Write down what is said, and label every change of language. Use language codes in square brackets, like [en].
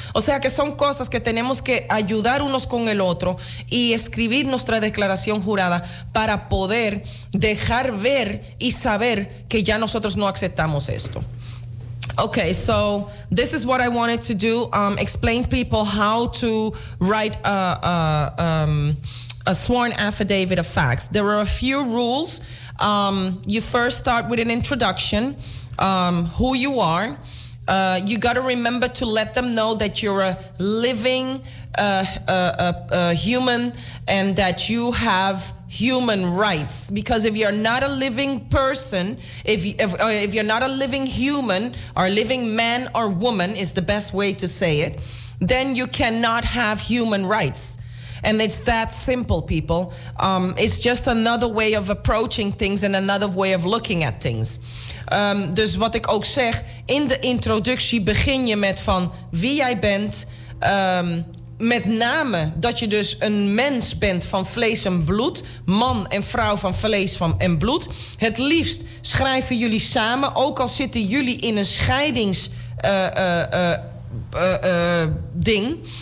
[es] O sea que son cosas que tenemos que ayudar unos con el otro y escribir nuestra declaración jurada para poder dejar ver y saber que ya nosotros no aceptamos esto. [en] Okay, so this is what I wanted to do, explain people how to write a sworn affidavit of facts. There are a few rules. You first start with an introduction, who you are. You got to remember to let them know that you're a living a human and that you have human rights, because if you're not a living person, if you're not a living human or living man or woman is the best way to say it, then you cannot have human rights. And it's that simple, people. It's just another way of approaching things and another way of looking at things. [nl] Dus wat ik ook zeg, in de introductie begin je met van wie jij bent, met name dat je dus een mens bent van vlees en bloed. Man en vrouw van vlees en bloed. Het liefst schrijven jullie samen, ook al zitten jullie in een scheidingsding.